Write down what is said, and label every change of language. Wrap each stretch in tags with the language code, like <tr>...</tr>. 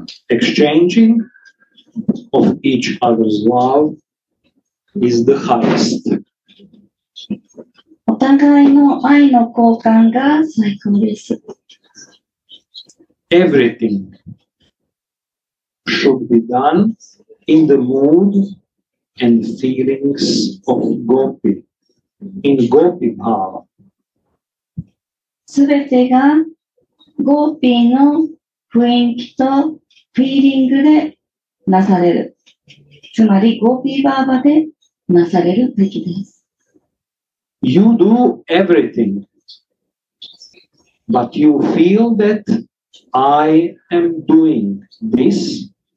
<en>Exchanging of each other's love is the highest.</en> <ja>お互いの愛の交換が最高です。</ja> <en>Everything should be done. In the mood and feelings of Gopi, in Gopi Bhava.</en> <ja>すべてがゴーピーの雰囲気とフィーリングでなされる。つまりゴーピーバーバでなされるべきです。</ja> <en>You do everything, but you feel that I am doing this</en>